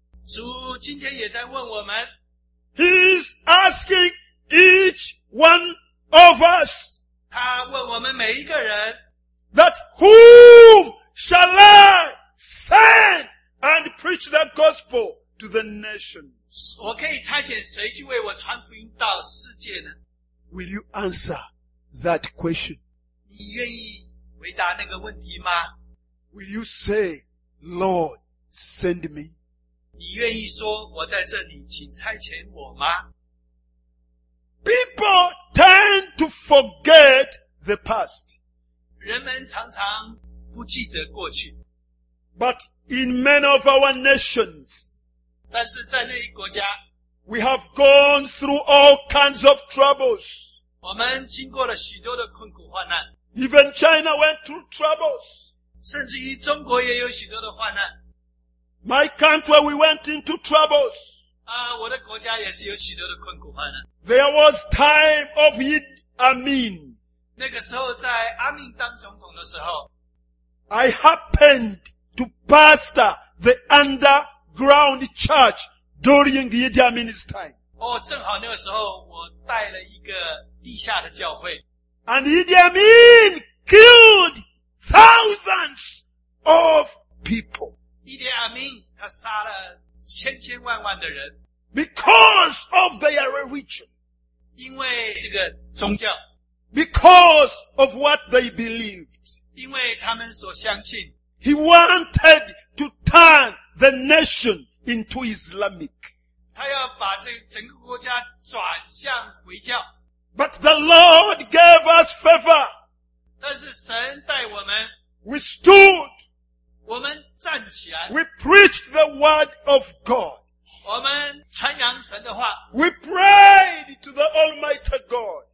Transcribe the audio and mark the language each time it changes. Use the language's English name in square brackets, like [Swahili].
[Chinese] 主今天也在问我们, [English] He is asking each one of us. [Chinese] 他问我们每一个人, [English] that whom shall I send and preach the gospel to the nations? [Chinese] 我可以差遣谁去为我传福音到世界呢? [English] Will you answer that question? [Chinese] 你愿意回答那个问题吗? [English] Will you say, Lord, send me? [Chinese] 你愿意说我在这里，请差遣我吗? [English] People tend to forget the past. [Chinese] 人们常常不记得过去。 [English] But in many of our nations, [Chinese] 但是在那一国家, [English] we have gone through all kinds of troubles. [Chinese] 我们经过了许多的困苦患难。 [English] Even China went through troubles. [Chinese] 甚至于中国也有许多的患难。 [English] My country, we went into troubles. [Chinese] 我的国家也是有许多的困苦患难。 [English] There was time of Idi Amin. [Chinese] 那个时候在阿明当总统的时候, [English] I happened to pastor the underground church during Idi Amin's time. [Chinese] 正好那个时候我带了一个地下的教会。 [English] And Idi Amin killed thousands of people. [Chinese] Idi Amin, 他杀了千千万万的人, [English] because of their religion. [Chinese] 因为这个宗教, [English] because of what they believed. [Chinese] 因为他们所相信, [English] he wanted to turn the nation into Islamic. [Chinese] 他要把这整个国家转向回教。 [English] But the Lord gave us favor. [Chinese] 但是神带我们, [English] we stood. [Chinese] 我们站起来, [English] we preached the word of God. [Chinese] 我们传扬神的话, [English] we prayed to the Almighty God.